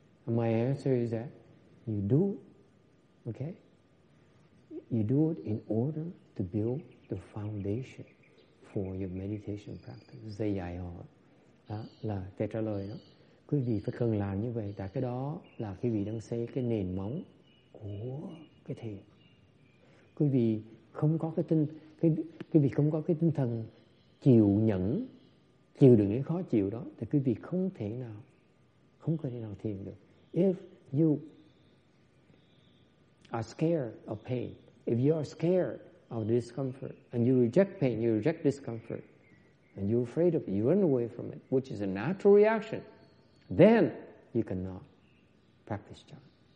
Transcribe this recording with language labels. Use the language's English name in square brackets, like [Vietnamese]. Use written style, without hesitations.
[English] And my answer is that you do it. Okay? You do it in order to build the foundation for your meditation practice. [Vietnamese] Dạy dạy họ. Đó là cái trả lời đó. Quý vị phải cần làm như vậy. Tại cái đó là quý vị đang xây cái nền móng của cái thiền. Quý vị không có cái tin... Cái vị không có cái tinh thần chịu nhẫn, chịu đựng cái khó chịu đó, thì cái vị không thể nào thiền được. [English] If you are scared of pain, if you are scared of discomfort, and you reject pain, you reject discomfort, and you're afraid of it, you run away from it, which is a natural reaction, then you cannot practice jhana.